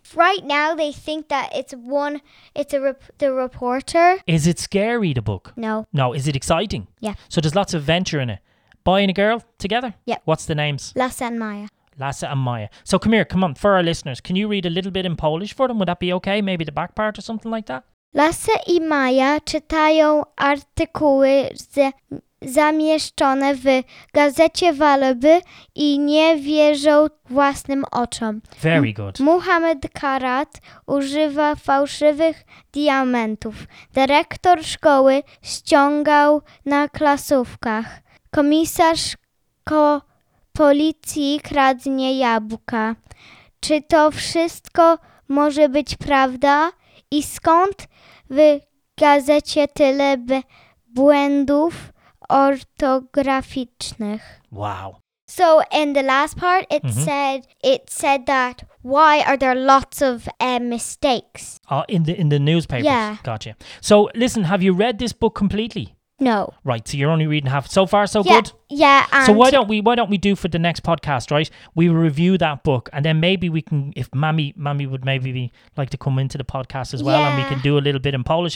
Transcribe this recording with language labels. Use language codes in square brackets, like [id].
[en] Right now, they think that it's the reporter. Is it scary, the book? No. No, is it exciting? Yeah. So there's lots of adventure in it. Boy and a girl together? Yeah. What's the names? Lasse and Maya. Lasse and Maya. So come here, come on, for our listeners, can you read a little bit in Polish for them? Would that be okay? Maybe the back part or something like that? [pl] Lasse i Maya czytają artykuły zamieszczone w gazecie Wallaby i nie wierzą własnym oczom. [en] Very good. [pl] Muhammad Karat używa fałszywych diamentów. Dyrektor szkoły ściągał na klasówkach. Komisarz policji kradnie jabłka. Czy to wszystko może być prawda? I skąd w gazecie tyle błędów ortograficznych? [en] Wow. So in the last part, it said that why are there lots of mistakes? In the newspapers. Yeah. Gotcha. So listen, have you read this book completely? No. Right, so you're only reading half. So far, so good? Yeah, and so why don't we do for the next podcast, right? We review that book, and then maybe we can, if Mammy would maybe be like to come into the podcast as well, and we can do a little bit in Polish.